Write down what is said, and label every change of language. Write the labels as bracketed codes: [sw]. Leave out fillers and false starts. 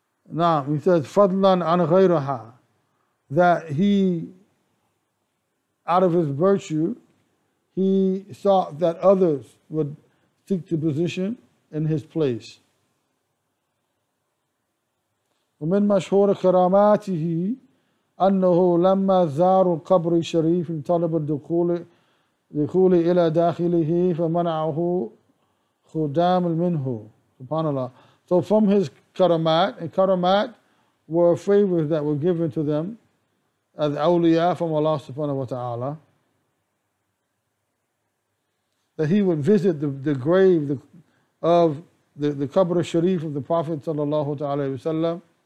[en] Now, he says, [ar] فَضْلًا عَنْ غَيْرَهَا, [en] that he, out of his virtue, he sought that others would seek the position in his place. [ar] ومن مشهور كراماته أنه لما زار قبر شريف طلب الدخول إلى داخله فمنعه خدام منه. سبحان الله. [en] So from his karamat, and karamat were favors that were given to them as awliya from Allah subhanahu wa ta'ala, that he would visit the grave of the qabr sharif of the Prophet sallallahu alaihi wasallam.